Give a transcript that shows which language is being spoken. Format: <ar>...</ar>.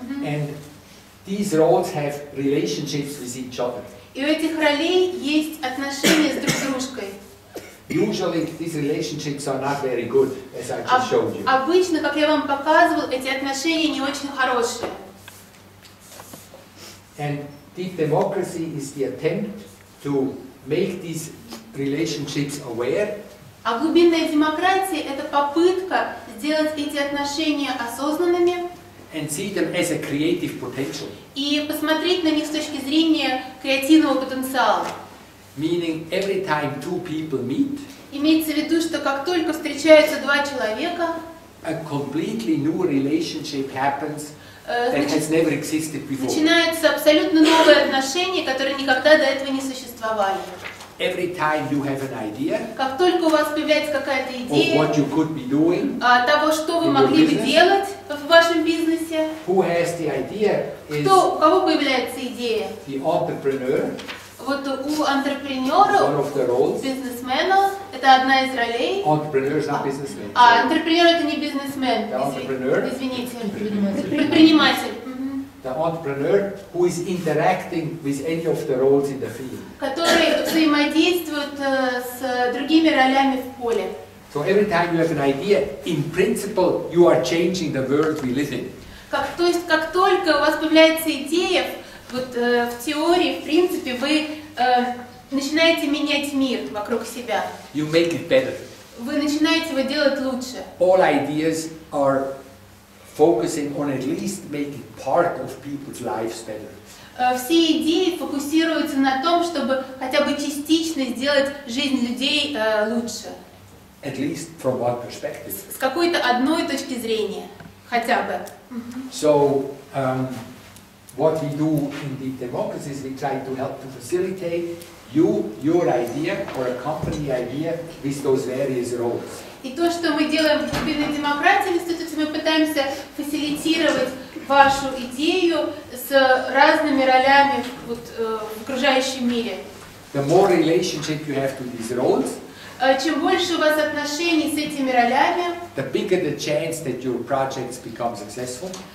<en>And these roles have relationships with each other.</en> <ru>И у этих ролей есть отношения с друг дружкой.</ru> <en>Usually these relationships are not very good, as I just showed you.</en> <ru>Обычно, как я вам показывал, эти отношения не очень хорошие.</ru> <en>And deep democracy is the attempt to make these relationships aware.</en> <ru>А глубинная демократия – это попытка сделать эти отношения осознанными.</ru> <en>And see them as a creative potential.</en> <ru>И посмотреть на них с точки зрения креативного потенциала.</ru> <en>Meaning every time two people meet.</en> <ru>Имеется в виду, что как только встречаются два человека,</ru> <en>a completely new relationship happens that has never existed before.</en> <ru>Начинается абсолютно новое отношение, которое никогда до этого не существовало.</ru> <en>Every time you have an idea,</en> <ru>как только у вас появляется какая-то идея,</ru> <en>of what you could be doing,</en> <ru>того, что вы могли бы делать в вашем бизнесе,</ru> <en>who has the idea,</en> <ru>кто, у кого появляется идея?</ru> <en>The entrepreneur.</en> <ru>Вот у антрепренера, бизнесмена, это одна из ролей.</ru> <en>Entrepreneur is not businessman.</en> <ru>А антрепренер это не бизнесмен. Извините, предприниматель.</ru> <en>The entrepreneur who is interacting with any of the roles in the field.</en> <ru>Который взаимодействует с другими ролями в поле.</ru> <en>So every time you have an idea, in principle, you are changing the world we live in.</en> <ru>Как то есть, как только у вас появляется идея. Вот в теории, в принципе, вы начинаете менять мир вокруг себя.</ru> <en>You make it better.</en> <ru>Вы начинаете его делать лучше.</ru> <en>All ideas are focusing on at least making part of people's lives better.</en> <ru>Все идеи фокусируются на том, чтобы хотя бы частично сделать жизнь людей лучше.</ru> <en>At least from one perspective.</en> <ru>С какой-то одной точки зрения, хотя бы.</ru> <en>So. What we do in deep democracy is we try to help to facilitate you, your idea or a company idea with those various roles.</en> <ru>И то, что мы делаем в глубинной демократии, это мы пытаемся фасилитировать вашу идею с разными ролями вот, в окружающем мире.</ru> <en>The more relationship you have to these roles,</en> <ru>чем больше у вас отношений с этими ролями,</ru> <en>the bigger the chance that your projects become successful.</en>